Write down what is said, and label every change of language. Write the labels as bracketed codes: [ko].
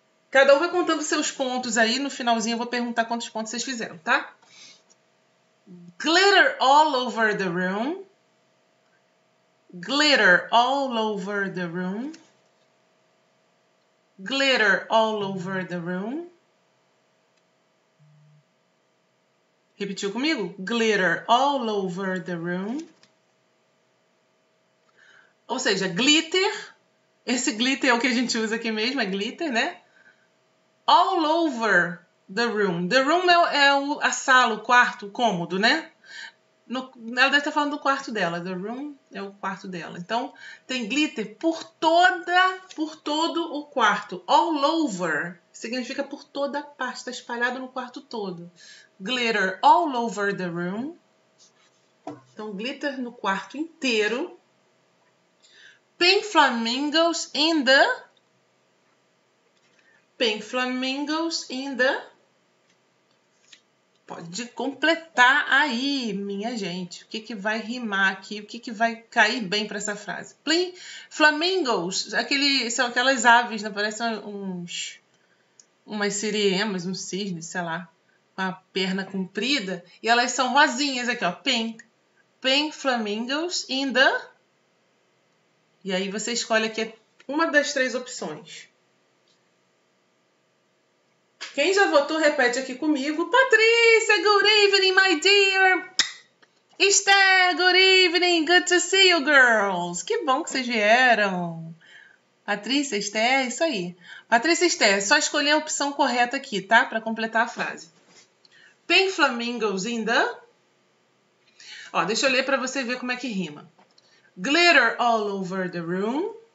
[pt] Cada um vai contando seus pontos aí. No finalzinho, eu vou perguntar quantos pontos vocês fizeram, tá? [en] Glitter all over the room. Glitter all over the room. Glitter all over the room. [pt] Repetiu comigo? [en] Glitter all over the room. [pt] Ou seja, glitter. Esse glitter é o que a gente usa aqui mesmo, é glitter, né? [en] All over the room. The room [pt] a sala, o quarto, o cômodo, né? No, ela deve estar falando do quarto dela. [en] The room [pt] é o quarto dela. Então, tem glitter por todo o quarto. All over. significa por toda a parte, está espalhado no quarto todo. [en] Glitter all over the room. [pt] Então, glitter no quarto inteiro. [en] Pink flamingos in the. Pink flamingos in the. [pt] Pode completar aí, minha gente. O que que vai rimar aqui? O que que vai cair bem para essa frase? Pink flamingos, aquele, são aquelas aves, não parecem uns umas siriemas, um cisne, sei lá, com a perna comprida, e elas são rosinhas aqui, ó. [en] Pink flamingos in the. [pt] E aí você escolhe aqui uma das três opções. Quem já votou, repete aqui comigo. [en] Patrícia, good evening, my dear. [pt] Esther, [en] good evening, good to see you, girls. [pt] Que bom que vocês vieram. Patrícia, Esther, é isso aí. Patrícia, Esther, só escolher a opção correta aqui, tá? Para completar a frase. [en] Pink flamingos in the. [pt] Ó, deixa eu ler para você ver como é que rima. [en] Glitter all over the room.